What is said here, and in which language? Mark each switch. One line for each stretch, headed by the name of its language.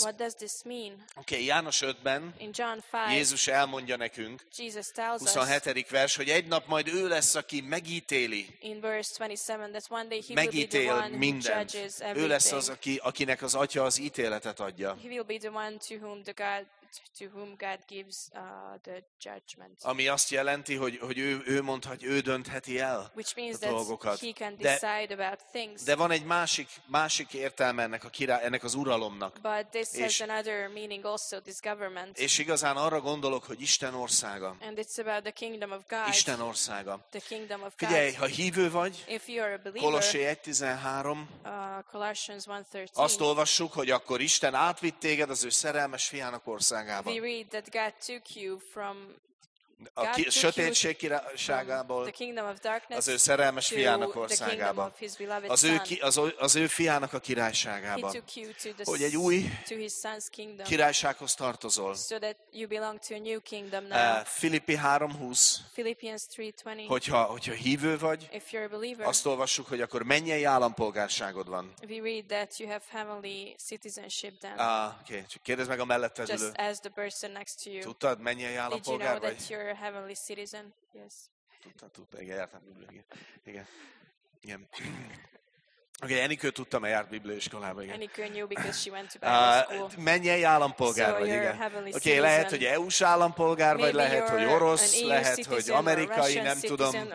English: What does this mean?
Hungarian: Okay, János 5-ben
English: in John 5,
Hungarian: Jézus elmondja nekünk,
English: Jesus tells
Hungarian: 27.
English: Us,
Hungarian: vers, hogy egy nap majd ő lesz, aki megítéli.
English: In verse 27, that one day he
Hungarian: megítél
English: will be the one
Hungarian: mindent.
English: Who judges everything.
Hungarian: Ő lesz az, akinek az atya az ítéletet adja.
English: He will be the one to whom the God to whom God gives the judgment.
Hungarian: Ami azt jelenti, hogy ő mondhat, ő döntheti el
English: which means
Hungarian: a dolgokat.
English: He can decide about things.
Hungarian: De van egy másik értelme ennek a király, ennek az uralomnak.
English: But this és, has another meaning also, this government.
Hungarian: És igazán arra gondolok, hogy Isten országa.
English: And it's about the kingdom of God.
Hungarian: Isten országa.
English: The kingdom of God.
Hungarian: Figyelj, ha hívő vagy,
English: if you are a believer,
Hungarian: Kolossé 1.13,
English: Colossians 1.13,
Hungarian: azt olvassuk, hogy akkor Isten átvitt téged az ő szerelmes fiának országa.
English: We read that God took you from
Hungarian: A sötétség királyságából,
English: the kingdom of darkness,
Hungarian: az ő szerelmes fiának országába, az ő fiának a királyságába, hogy egy új királysághoz tartozol.
English: So that you belong to a new kingdom now.
Hungarian: Filippi 3:20, hogyha hívő vagy,
English: if you're a believer,
Hungarian: azt olvassuk, hogy akkor mennyei állampolgárságod van.
English: We read that you have heavenly citizenship then. Okay.
Hungarian: Csak kérdezz meg a mellettevezető.
English: Just ask the person next to you.
Hungarian: Tudtad, mennyei állampolgár vagy?
English: Did you know that you're a heavenly citizen? Yes.
Hungarian: Tudtam, igen, jártam Bibliaiskolába. Igen. Okay, Enikő tudtam, mert járt Bibliaiskolába, igen.
English: Enikő knew because she went to Bible school.
Hungarian: Mennyei állampolgár vagy, igen. Okay, lehet, hogy EU-s állampolgár vagy, lehet, hogy orosz, lehet, hogy amerikai, nem tudom.